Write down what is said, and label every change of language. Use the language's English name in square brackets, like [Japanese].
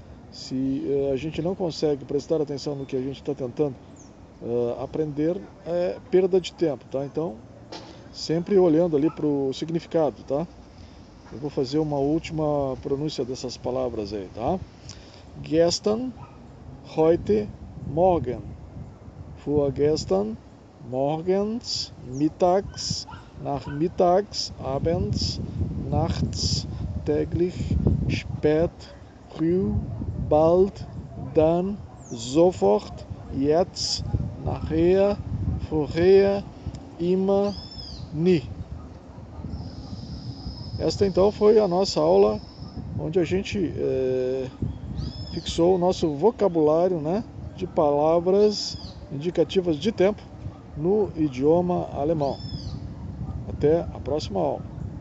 [Portuguese] Se a gente não consegue prestar atenção no que a gente está tentando aprender, é perda de tempo, tá? Então, sempre olhando ali para o significado, tá? Eu vou fazer uma última pronúncia dessas palavras aí, tá? [German] Gestern, heute, morgen. Vorgestern, morgens, mittags, nachmittags, abends, nachts, täglich, spät, früh. Bald, dann, sofort, jetzt, nachher, vorher, immer, nie. [Portuguese] Esta então foi a nossa aula, onde a gente fixou o nosso vocabulário, né, de palavras indicativas de tempo no idioma alemão. Até a próxima aula.